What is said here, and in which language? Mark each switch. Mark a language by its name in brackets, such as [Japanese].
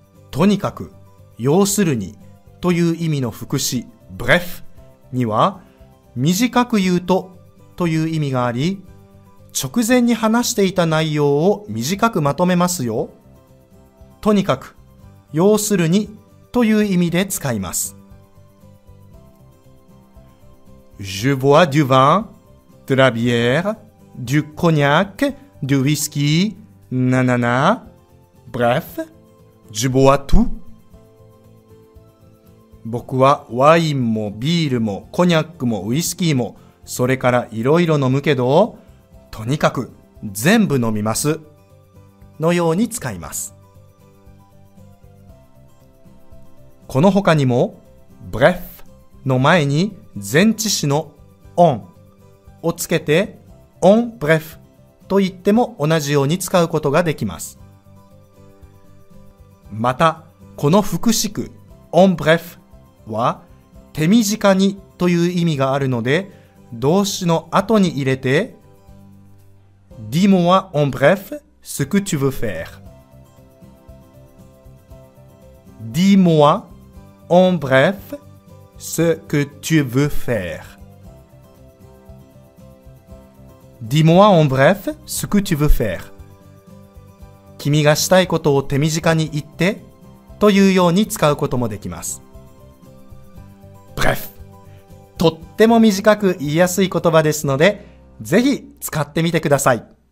[Japanese] とにかく、要するにという意味の副詞 bref には短く言うとという意味があり、直前に話していた内容を短くまとめますよ。とにかく、要するにという意味で使います。 [French] Je bois du vin, de la bière, du cognac, du whisky, nanana. Bref, je bois tout. [Japanese] 僕はワインもビールもコニャックもウイスキーもそれからいろいろ飲むけど、とにかく全部飲みますのように使います。この他にも、bref の前に前置詞の on をつけて on bref と言っても同じように使うことができます。また、この副詞句 on bref は手短にという意味があるので、動詞の後に入れて、 [French] dis-moi en bref ce que tu veux faire。 dis-moi En bref, ce que tu veux faire. Dis-moi en bref ce que tu veux faire. [Japanese] 君がしたいことを手短に言ってというように使うこともできます。 Bref、とっても短く言いやすい言葉ですので、ぜひ使ってみてください。